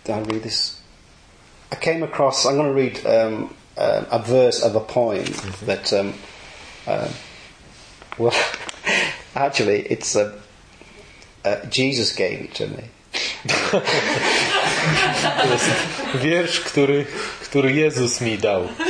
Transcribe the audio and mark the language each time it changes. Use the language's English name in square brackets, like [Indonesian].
[English] I came across. I'm going to read a verse of a poem that. Well, actually, it's Jesus gave it to me. [Polish] Wiersz, który Jezus mi dał.